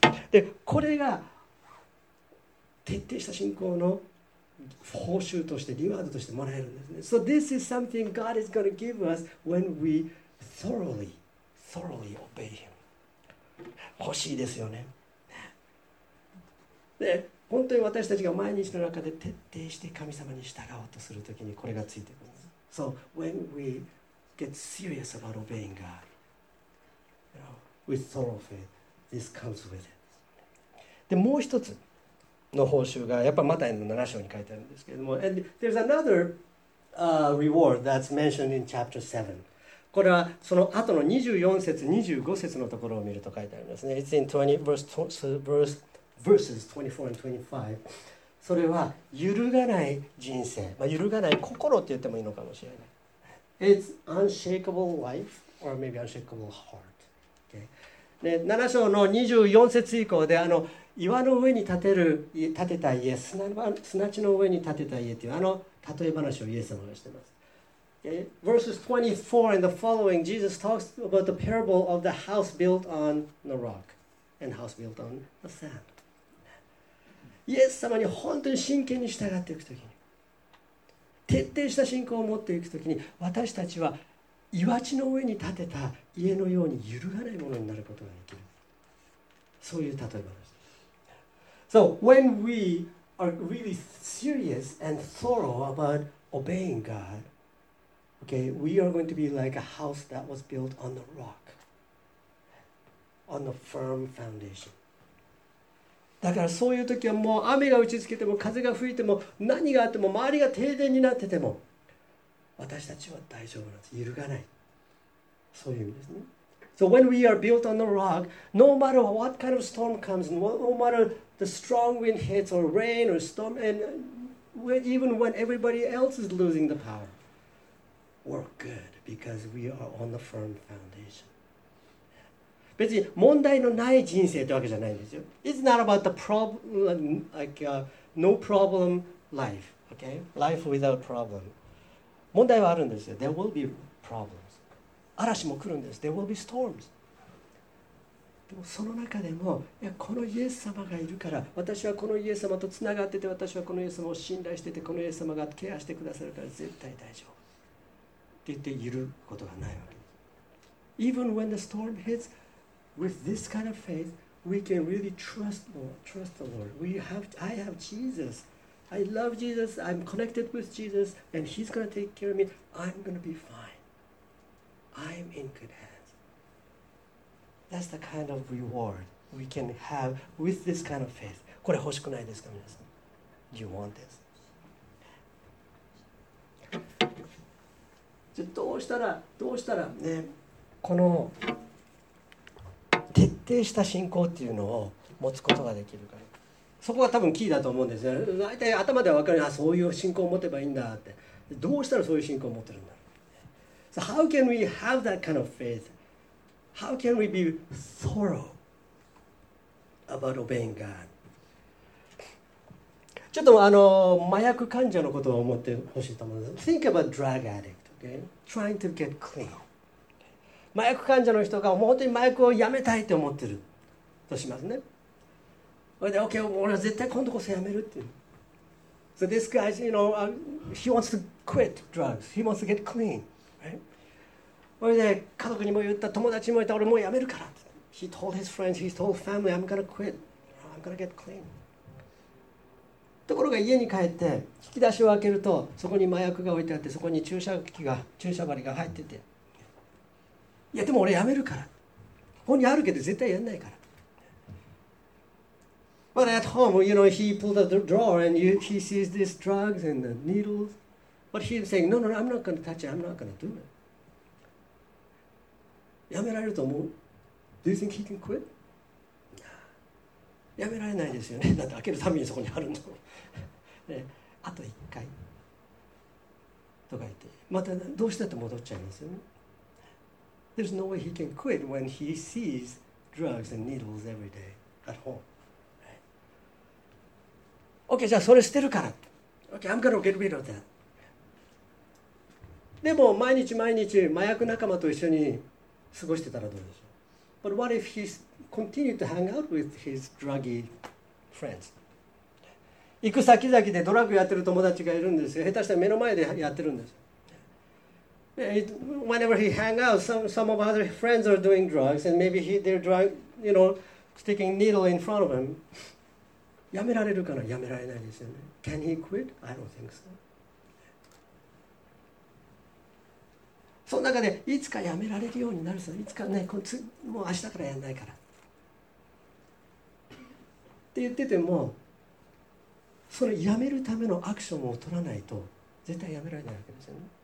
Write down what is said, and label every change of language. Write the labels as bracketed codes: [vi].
[ja] で、これが徹底した信仰の報酬として、リワードとしてもらえるんですね。 [en] So this is something God is going to give us when we thoroughly obey Him. [ja] 欲しいですよね。で、本当に私たちが毎日の中で徹底して神様に従おうとするときにこれがついてくるんです。 [en] So when we get serious about obeying God, you know, with thorough faith, this comes with it. [ja] で、もう一つの報酬がやっぱマタイの7章に書いてあるんですけれども、 [en] and there's another reward that's mentioned in chapter 7. [ja] これはその後の24節、25節のところを見ると書いてありますね。 [en] It's in verses 24 and 25. [ja] それは揺るがない人生、まあ、揺るがない心って言ってもいいのかもしれない。 [en] It's unshakable life or maybe unshakable heart. Okay. [ja] で、7章の24節以降で、岩の上に建てた家、砂地の上に建てた家というあの例え話をイエス様がしています。 [en] Okay. Verses 24 and the following, Jesus talks about the parable of the house built on the rock and house built on the sand. [ja] イエス様に本当に真剣に従っていくときに、徹底した信仰を持っていくときに、私たちは岩地の上に建てた家のように揺るがないものになることができる。そういう例え話です。 [en] So when we are really serious and thorough about obeying God, okay, we are going to be like a house that was built on the rock, on the firm foundation. [ja] だからそういう時はもう雨が打ちつけても風が吹いても何があっても周りが停電になってても私たちは大丈夫なんです。揺るがない。そういう意味ですね。 [en] So when we are built on the rock, no matter what kind of storm comes, no matter the strong wind hits or rain or storm, and even when everybody else is losing the power, we're good because we are on the firm foundation. [ja] 別に問題のない人生ってわけじゃないんですよ。 [en] It's not about the problem, like no problem life, okay? Life without problem. [ja] 問題はあるんですよ。 [en] There will be problems. [ja] 嵐も来るんです。 [en] There will be storms. [ja] でもその中でも、いや、このイエス様がいるから、私はこのイエス様とつながってて、私はこのイエス様を信頼してて、このイエス様がケアしてくださるから絶対大丈夫。って言っていることがないわけです。 [en] Even when the storm hits, with this kind of faith, we can really trust the Lord. I have Jesus. I love Jesus. I'm connected with Jesus, and He's gonna take care of me. I'm gonna be fine. I'm in good hands. That's the kind of reward we can have with this kind of faith. [ja] これ欲しくないですか、皆さん? [en] Do you want this? [ja] じゃあどうしたらね、この徹底した信仰っていうのを持つことができるか。そこが多分キーだと思うんですね。大体頭では分かる、あ、そういう信仰を持てばいいんだって。どうしたらそういう信仰を持てるんだろう。 [en] So how can we have that kind of faith? How can we be thorough about obeying God? [ja] ちょっと麻薬患者のことを思ってほしいと思うんです。 [en] Think about drug addict, okay? Trying to get clean. [ja] 麻薬患者の人が本当に麻薬をやめたいと思ってるとしますね。で、OK、俺は絶対今度こそやめるっていう。 [en] So this guy, you know, he wants to quit drugs. He wants to get clean, right? [ja] それで家族にも言った、友達にも言った、俺もうやめるからって。 [en] He told his friends, he told family, I'm gonna quit. I'm gonna get clean. [ja] ところが家に帰って引き出しを開けると、そこに麻薬が置いてあって、そこに注射針が入ってて。いやでも俺やめるから。ここにあるけど絶対やんないから。 [en] But at home, you know, he pulled out the drawer and he sees these drugs and the needles. But he's saying, no, no, I'm not going to touch it. I'm not going to do it. [ja] やめられると思う? [en] Do you think he can quit? [ja] やめられないですよね。だって開けるためにそこにあるの。あと一回。とか言って。またどうしたって戻っちゃいますよね。 [en] There's no way he can quit when he sees drugs and needles every day at home. [ja] OK, じゃあそれ捨てるから。 [en] OK, I'm gonna get rid of that. [ja] でも毎日毎日麻薬仲間と一緒に過ごしてたらどうでしょう。 [en] But what if he continued to hang out with his druggy friends? [ja] 行く先々でドラッグやってる友達がいるんですよ。下手したら目の前でやってるんです。 [en] Whenever he hang out, some of other friends are doing drugs and maybe they're drug, you know, sticking needle in front of him. [ja] やめられるかな? やめられないですよね。 [en] Can he quit? I don't think so. [ja] その中で、いつかやめられるようになるさ。いつかね、もう明日からやんないから。って言ってても、そのやめるためのアクションを取らないと、絶対やめられないわけですよね。